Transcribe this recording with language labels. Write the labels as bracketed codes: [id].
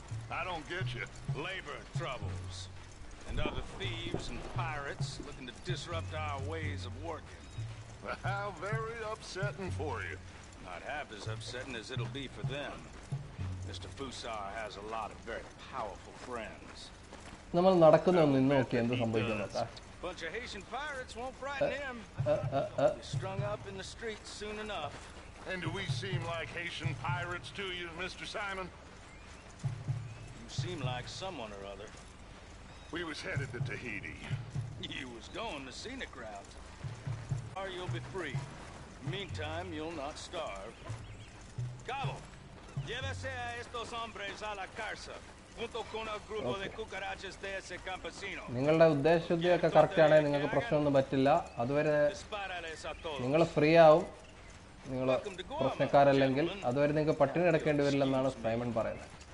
[en] I don't get you. Labor troubles. And other thieves and pirates looking to disrupt our ways of working. Well, how very upsetting for you. Not half as upsetting as it'll be for them. Mr. Fusar has a lot of very powerful friends. [ml] നമ്മൾ നടക്കുന്നൊന്നും നോക്കി എന്ത് സംഭവിക്കുന്നത്. [en] Bunch of Haitian pirates won't frighten him. He'll be strung up in the streets soon enough. And do we seem like Haitian pirates to you, Mr. Simon? You seem like someone or other. We was headed to Tahiti. You was going the scenic route. Or you'll be free. Meantime, you'll not starve. [es] Cabo, llévese a estos hombres a la cárcel. Junto con el grupo de cucarachas de ese campesino. [ml] നിങ്ങളുടെ ഉദ്ദേശശുദ്ധിയൊക്കെ correct ആണേ നിങ്ങൾക്ക് പ്രശ്നമൊന്നും പറ്റില്ല. അതുവരെ നിങ്ങൾ free ആവും. നിങ്ങൾ പ്രശ്നക്കാരല്ലെങ്കിൽ അതുവരെ നിങ്ങൾക്ക് പട്ടിണി കിടക്കേണ്ടി വരില്ലെന്നാണ് സൈമൺ പറയുന്നത്.